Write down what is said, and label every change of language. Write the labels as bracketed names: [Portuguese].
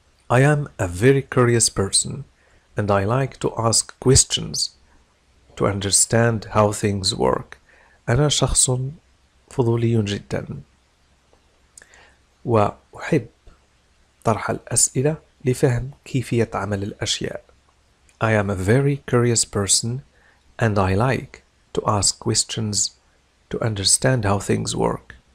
[English] I am a very curious person and I like to ask questions to understand how things work. [Arabic] أنا شخص فضولي جدا وأحب طرح الأسئلة لفهم كيفية عمل الأشياء. [English] I am a very curious person and I like to ask questions to understand how things work.